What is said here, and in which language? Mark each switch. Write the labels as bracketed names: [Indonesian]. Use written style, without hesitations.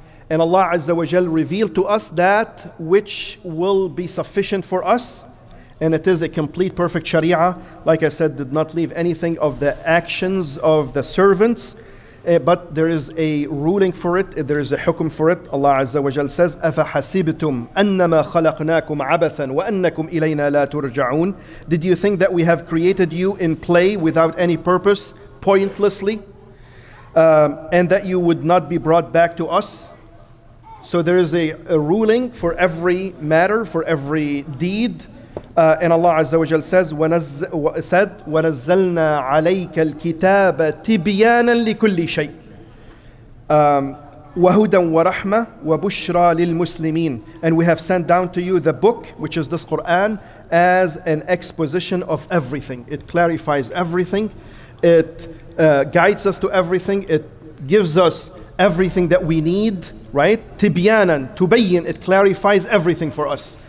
[English] And Allah Azza wa Jal revealed to us that which will be sufficient for us. And it is a complete, perfect Sharia. Like I said, did not leave anything of the actions of the servants. But there is a ruling for it, there is a hukum for it. Allah Azza wa Jal says, [Arabic] أَفَحَسِبْتُمْ أَنَّمَا خَلَقْنَاكُمْ عَبَثًا وَأَنَّكُمْ إِلَيْنَا لَا تُرْجَعُونَ. [English] Did you think that we have created you in play without any purpose, pointlessly, and that you would not be brought back to us? So there is a ruling for every matter, for every deed. And Allah Azza wa Jal says, [Arabic] وَنَزَّلْنَا عَلَيْكَ الْكِتَابَ تِبْيَانًا لِكُلِّ شَيْءٍ وَهُدًى وَرَحْمَةً وَبُشْرَى لِلْمُسْلِمِينَ. [English] And we have sent down to you the book, which is this Quran, as an exposition of everything. It clarifies everything. It guides us to everything. It gives us everything that we need, right? تِبْيَانًا, تُبَيِّن, it clarifies everything for us.